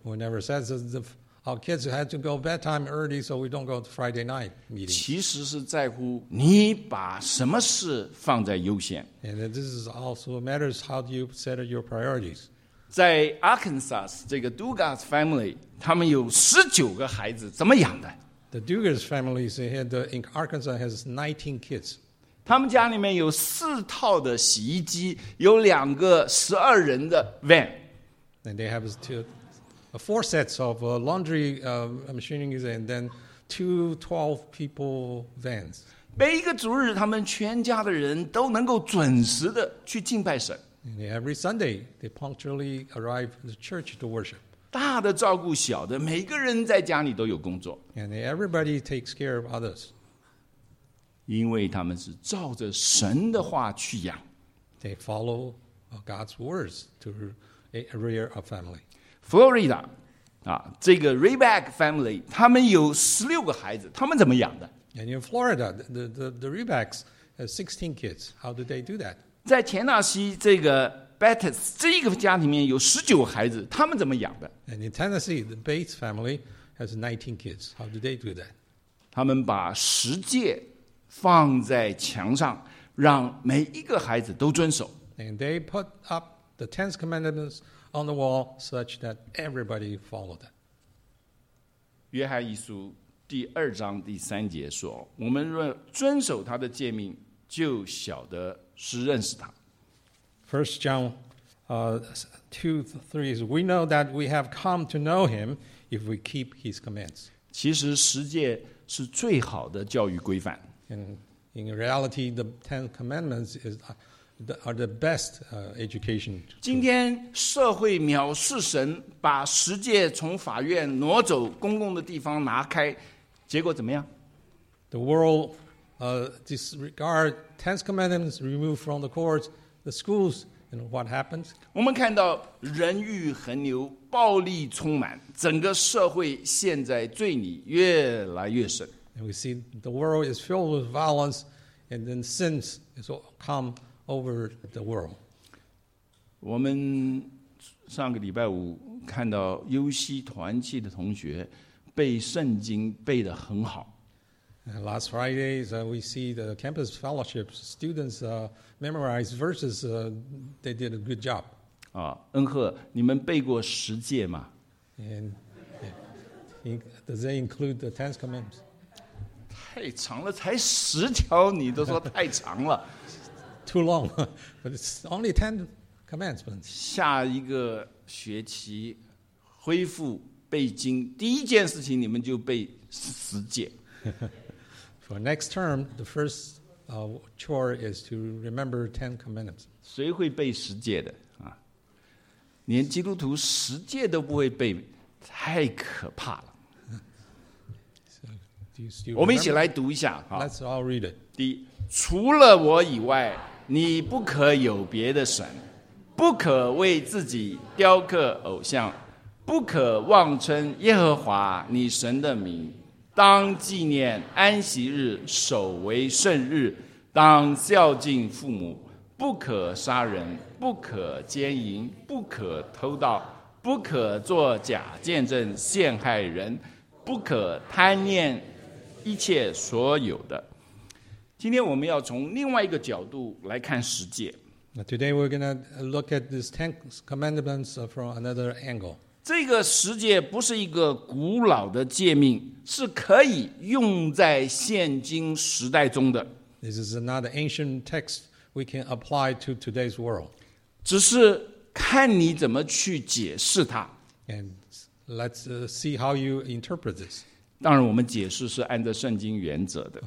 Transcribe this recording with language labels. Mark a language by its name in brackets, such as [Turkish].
[English] We never said our kids had to go bedtime early, so we don't go to Friday night meeting. [Chinese] 其实是在乎你把什么事放在优先。 [English] And this is also matters how do you set your priorities. [Chinese] 在 Arkansas, 这个 Dugas family, 他们有19个孩子，怎么养的 [English] ？The Dugas family in Arkansas has 19 kids. [Chinese] 他们家里面有四套的洗衣机，有两个12人的 van. [English] And they have two. Four sets of laundry machining and then two 12 people vans. [Chinese] 每一个主日，他们全家的人都能够准时的去敬拜神。 [English] And every Sunday, they punctually arrive at the church to worship. [Chinese] 大的照顾小的，每个人在家里都有工作。 [English] And everybody takes care of others. [Chinese] 因为他们是照着神的话去养。 [English] They follow God's words to rear a family. [Chinese] Florida, 啊，这个 Reback family, 他们有16个孩子，他们怎么养的 [English] ？And in Florida, the Rebacks have 16 kids. How do they do that? [Chinese] 在田纳西，这个 Bates 这个家里面有19孩子，他们怎么养的 [English] ？And in Tennessee, the Bates family has 19 kids. How do they do that? [Chinese] 他们把十诫放在墙上，让每一个孩子都遵守。 [English] And they put up the Ten Commandments. On the wall, such that everybody followed it. [Chinese] 约翰一书第二章第三节说：“我们若遵守他的诫命，就晓得是认识他。” [English] First John, 2:3 is we know that we have come to know him if we keep his commands. [Chinese] 其实十诫是最好的教育规范。 [English] And in reality, the Ten Commandments are the best education. [Chinese] 今天社会藐视神，把十诫从法院挪走，公共的地方拿开，结果怎么样 [English] ？The world disregard Ten Commandments, removed from the courts, the schools, and what happens? [Chinese] 我们看到人欲横流，暴力充满，整个社会陷在罪里越来越深。 [English] And we see the world is filled with violence, And then sin is come over the world. [Chinese] 我们上个礼拜五看到优西团契的同学背圣经背得很好。 [English] Last Friday, we see the campus fellowship students memorize verses. They did a good job. [Chinese] 啊，恩赫，你们背过十诫吗 [English] ？And does that include the Ten Commandments? [Chinese] 太长了，才十条，你都说太长了。 [English] Too long, but it's only Ten Commandments. [Chinese] 下一个学期恢复背经，第一件事情你们就背十诫。 [English] For next term, the first chore is to remember Ten Commandments. [Chinese] 谁会背十诫的啊？连基督徒十诫都不会背，太可怕了。我们一起来读一下。 [English] Let's all read it. [Chinese] 第一，除了我以外，你不可有别的神，不可为自己雕刻偶像，不可妄称耶和华你神的名。当纪念安息日，守为圣日，当孝敬父母，不可杀人，不可奸淫，不可偷盗，不可作假见证陷害人，不可贪念一切所有的。今天我们要从另外一个角度来看十诫。 [English] Today we're going to look at these Ten Commandments from another angle. [Chinese] 这个十诫不是一个古老的诫命，是可以用在现今时代中的。 [English] This is not an ancient text we can apply to today's world. [Chinese] 只是看你怎么去解释它。 [English] And let's see how you interpret this. [Chinese] 当然，我们解释是按照圣经原则的。